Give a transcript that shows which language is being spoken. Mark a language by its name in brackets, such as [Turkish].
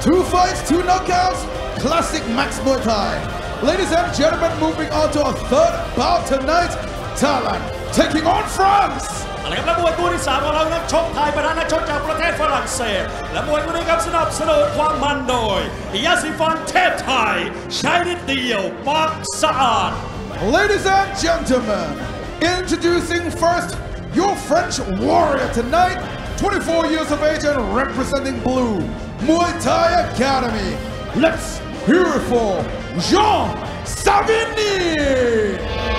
[English] Two fights, two knockouts, classic Max Muay Thai. Ladies and gentlemen, moving on to our third bout tonight, Thailand taking on France! [Thai] นะครับและมวยคู่ที่3ของเรานักชกไทยประธานชกจากประเทศฝรั่งเศสและมวยคู่นี้ครับสนับสนุนความมันโดยยาสีฟันเทพไทยใช้นิดเดียวปากสะอาด [English] Ladies and gentlemen, introducing first your French warrior tonight, 24 years of age and representing Blue Muay Thai Academy. Let's hear it for Jean Savigny.